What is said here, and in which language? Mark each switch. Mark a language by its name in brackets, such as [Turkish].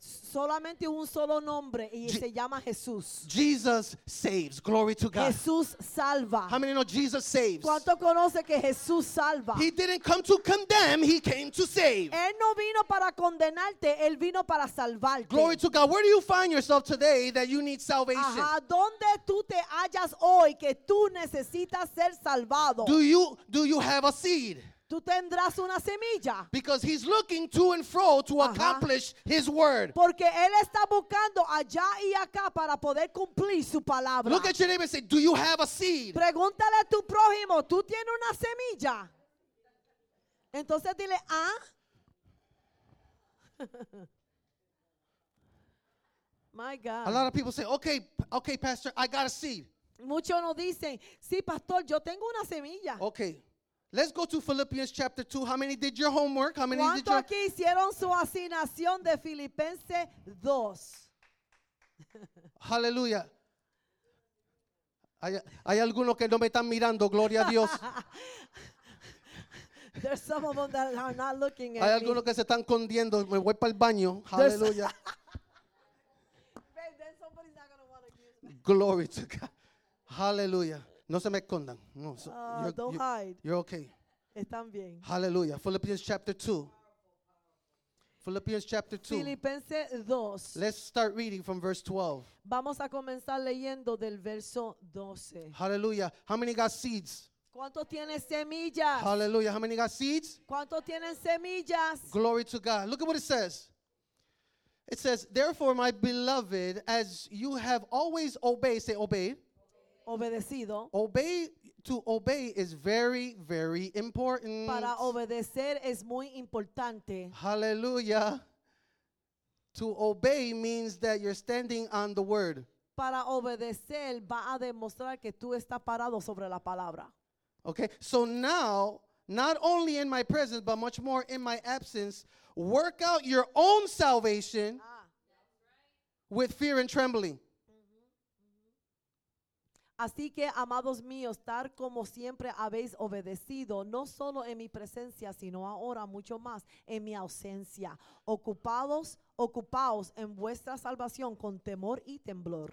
[Spanish] Solamente un solo nombre y se llama Jesús. [English] Jesus saves. Glory to God. [Spanish] Jesús salva. [English] How many know Jesus saves? [Spanish] ¿Cuánto conoce que Jesús salva? [English] He didn't come to condemn, he came to save. [Spanish] Él no vino para condenarte, él vino para salvarte. [English] Glory to God. Where do you find yourself today that you need salvation? [Spanish] ¿A dónde tú te hallas hoy que tú necesitas ser salvado? [English] Do you have a seed? [Spanish] Tú tendrás una semilla. [English] Because he's looking to and fro to accomplish his word. [Spanish] Porque él está buscando allá y acá para poder cumplir su palabra. [English] Look at your neighbor and say, do you have a seed? [Spanish] Pregúntale a tu prójimo, ¿tú tienes una semilla? Entonces dile, ¿ah? [English] My God. A lot of people say, okay, pastor, I got a seed. [Spanish] Muchos nos dicen, sí, pastor, yo tengo una semilla. [English] Okay. Let's go to Philippians chapter 2. How many did your homework? How many did your... [Spanish] ¿Cuántos hicieron su asignación de Filipenses 2? [English] Hallelujah. [Spanish] Hay algunos que no me están mirando, gloria a Dios. [English] There's some of them that are not looking at [Spanish] me. Hay algunos que se están escondiendo. Me voy para el baño. Hallelujah. [English] Babe, then somebody's not going to want to use me. [Spanish] Glory to God. Hallelujah. No se me escondan. [English] No, so don't hide. You're okay. [Spanish] Están bien. [English] Hallelujah. Philippians chapter 2. Philippians chapter 2. [Spanish] Filipenses 2. [English] Let's start reading from verse 12. [Spanish] Vamos a comenzar leyendo del verso 12. [English] Hallelujah. How many got seeds? [Spanish] ¿Cuántos tienen semillas? [English] Hallelujah. How many got seeds? [Spanish] ¿Cuántos tienen semillas? [English] Glory to God. Look at what it says. It says, therefore, my beloved, as you have always obeyed, say obeyed. [Spanish] Obedecido. [English] To obey is very, very important. [Spanish] Para obedecer es muy importante. [English] Hallelujah. To obey means that you're standing on the word. [Spanish] Para obedecer va a demostrar que tú estás parado sobre la palabra. [English] Okay. So now, not only in my presence, but much more in my absence, work out your own salvation with fear and trembling. [Spanish] Así que, amados míos, tal como siempre habéis obedecido, no solo en mi presencia, sino ahora mucho más en mi ausencia. Ocupaos en vuestra salvación con temor y temblor.